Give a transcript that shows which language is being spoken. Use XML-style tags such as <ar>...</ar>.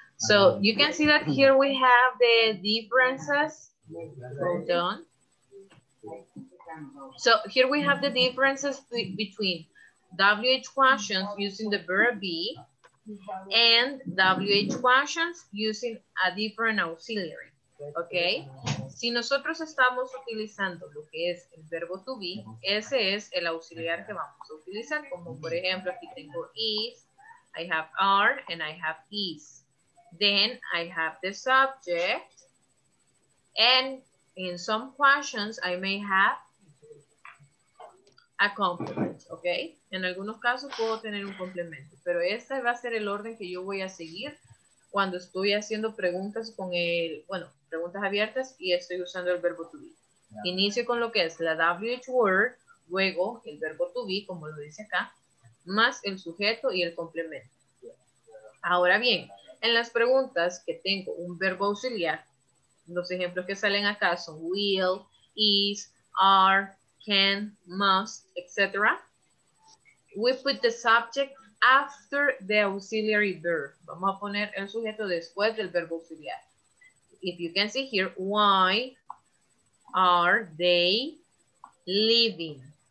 <en>So you can see that here we have the differences. Hold on. So here we have the differences between WH questions using the verb be and WH questions using a different auxiliary. Okay.</en> <es>Si nosotros estamos utilizando lo que es el verbo to be, ese es el auxiliar que vamos a utilizar. Como por ejemplo, aquí tengo</es> <en>is, I have are, and I have is. Then I have the subject, and in some questions I may have a complement, okay?</en> <es>En algunos casos puedo tener un complemento, pero este va a ser el orden que yo voy a seguir cuando estoy haciendo preguntas con el, bueno, preguntas abiertas y estoy usando el verbo to be. Yeah. Inicio con lo que es la WH word, luego el verbo to be, como lo dice acá, más el sujeto y el complemento. Ahora bien, en las preguntas que tengo un verbo auxiliar, los ejemplos que salen acá son will, is, are, can, must, etc.</es> <en>We put the subject after the auxiliary verb.</en> <es>Vamos a poner el sujeto después del verbo auxiliar.</es> <en>If you can see here, why are they leaving?</en>